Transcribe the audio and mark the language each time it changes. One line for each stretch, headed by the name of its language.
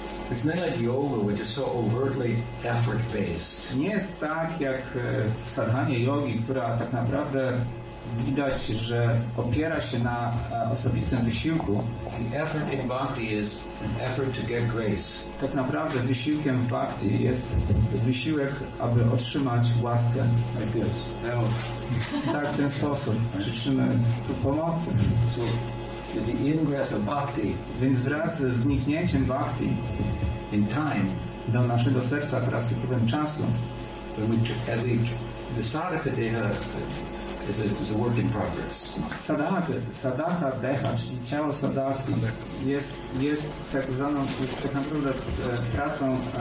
English: it's not like yoga, which is so overtly effort-based.
Polish: Nie jest tak jak w sadhanie jogi, która tak naprawdę widać, że opiera się na osobistym wysiłku.
English: The effort in bhakti is an effort to get grace.
Polish: Tak naprawdę wysiłkiem w bhakti jest wysiłek, aby otrzymać łaskę.
English: Like this.
Polish: No. Tak, w ten sposób. Życzymy pomocy.
English: So, the ingress of bhakti,
Polish: więc wraz z wniknięciem bhakti
English: in time,
Polish: do naszego serca wraz z upływem czasu,
English: the sadhaka deha is a work in progress.
Polish: Sadhaka deha, czyli ciało sadhaki, jest tak zwaną, jest tak naprawdę pracą.